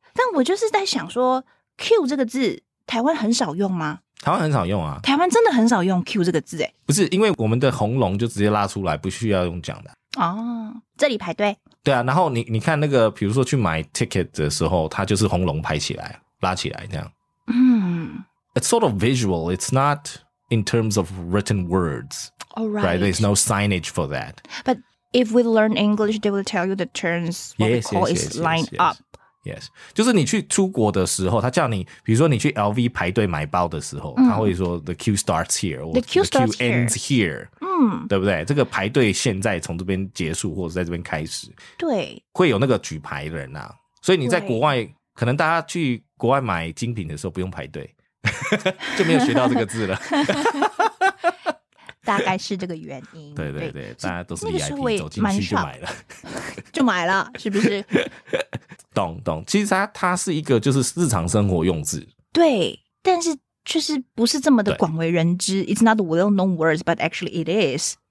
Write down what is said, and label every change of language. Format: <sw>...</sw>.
<zh>但我就是在想说 ，cue 这个字台湾很少用吗？台湾很少用啊。台湾真的很少用 cue 这个字哎。不是，因为我们的红龙就直接拉出来，不需要用讲的。哦，这里排队。对啊，然后你看那个比如说去买 ticket 的时候，它就是红龙排起来拉起来这样。</zh> <en>It's sort of visual, it's not in terms of written words. Right. There's no signage for that. But if we learn English, they will tell you the terms, what yes, we call yes, is line yes, up. Yes,</en> <zh>就是你去出国的时候，他叫你比如说你去 LV 排队买包的时候，他会说</zh> <en>the queue starts here, the queue starts here. ends here.</en> <zh>对不对？这个排队现在从这边结束或者在这边开始，对，会有那个举牌的人啊。所以你在国外，可能大家去国外买精品的时候不用排队，就没有学到这个字了。大概是这个原因。对对对，大家都是 VIP，那个时候我也走进去就买了，就买了，是不是？懂懂。其实它是一个就是日常生活用字。对，但是。确实不是这么的广为人知。</zh> <en>It's not well known words, but actually it is.</en>